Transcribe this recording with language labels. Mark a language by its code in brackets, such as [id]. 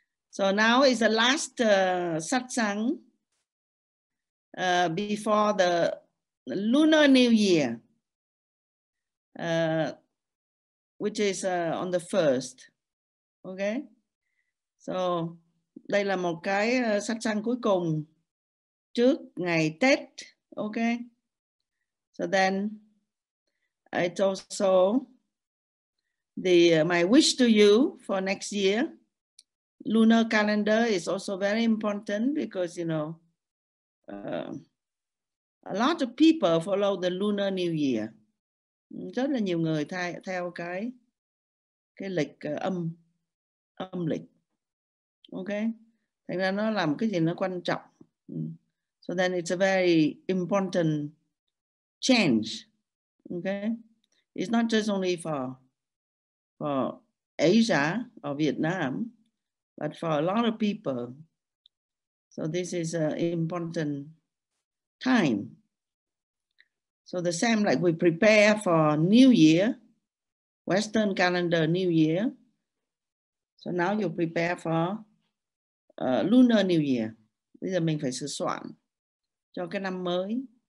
[en] So now is the last satsang before the Lunar New Year, which is on the first. Okay? [vi] So đây là một cái satsang cuối cùng trước ngày Tết. [en] Okay? So then, it's also the my wish to you for next year. Lunar calendar is also very important because, you know, a lot of people follow the Lunar New Year. [vi] Rất là nhiều người theo cái lịch âm lịch. Okay? Thành ra nó làm cái gì nó quan trọng. [en] So then it's a very important change. Okay? It's not just only for Asia or Vietnam, but for a lot of people. So this is an important time. So the same like we prepare for New Year, Western calendar New Year. So now you prepare for Lunar New Year. [vi] Bây giờ mình phải sửa soạn cho cái năm mới.